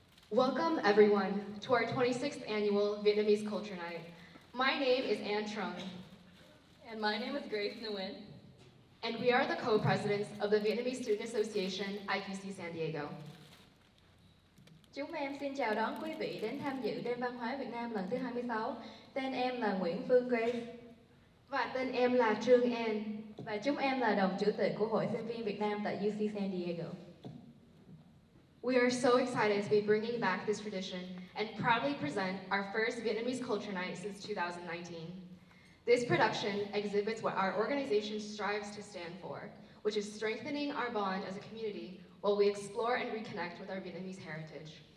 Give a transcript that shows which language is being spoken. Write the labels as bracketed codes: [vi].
[en] Welcome, everyone, to our 26th annual Vietnamese Culture Night. My name is Anne Trung. And my name is Grace Nguyen. And we are the co-presidents of the Vietnamese Student Association, IQC San Diego. [vi] Chúng em xin chào đón quý vị đến tham dự Đêm Văn hóa Việt Nam lần thứ 26. Tên em là Nguyễn Phương Grace. Và tên em là Trương An. Và chúng em là đồng chủ tịch của Hội sinh viên Việt Nam tại UC San Diego. [en] We are so excited to be bringing back this tradition and proudly present our first Vietnamese Culture Night since 2019. This production exhibits what our organization strives to stand for, which is strengthening our bond as a community while we explore and reconnect with our Vietnamese heritage.